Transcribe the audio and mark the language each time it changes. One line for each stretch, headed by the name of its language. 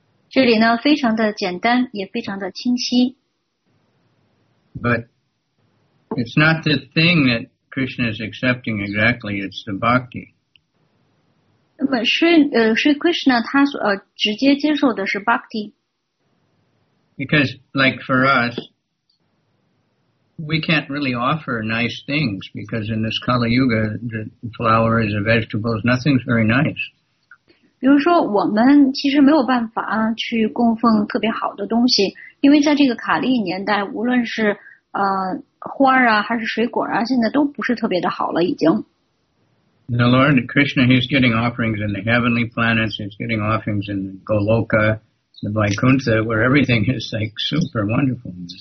Chinese: 这里呢，非常的简单，也非常的清晰。
English: But it's not the thing that Krishna is accepting exactly, it's the bhakti.
Chinese: 那么是 Krishna 他所直接接受的是 bhakti.
English: Because like for us, we can't really offer nice things because in this Kali Yuga, the flowers, the vegetables, nothing's very nice.
Chinese: 比如说我们其实没有办法去供奉特别好的东西，因为在这个卡利年代，无论是花啊还是水果啊，现在都不是特别的好了已经。
English: The Lord Krishna, he's getting offerings in the heavenly planets, he's getting offerings in Goloka, the Vaikuntha, where everything is like super wonderful.